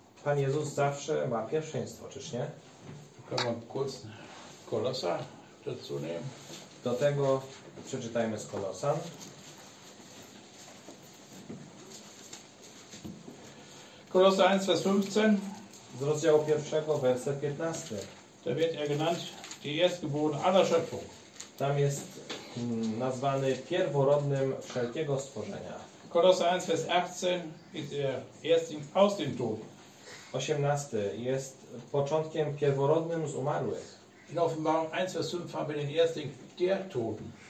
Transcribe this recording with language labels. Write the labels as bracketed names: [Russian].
[Polish] Pan Jezus zawsze ma pierwszeństwo, czyż nie? [German] Kann man kurz Kolosa dazu nehmen? [Polish] Do tego przeczytajmy z Kolosa. [German] Kolosa 1, vers 15. [Polish] Z rozdziału pierwszego, werset 15. [German] Da wird er genannt, die Erstgeborene aller Schöpfung. [Polish] Tam jest nazwany pierworodnym wszelkiego stworzenia. [German] Kolosa 1, vers 18. Ist er Erstling aus dem Tod. [Polish] 18. Jest początkiem pierworodnym z umarłych. [German] In Offenbarung 1, vers 5 haben wir den Erstling der Toten.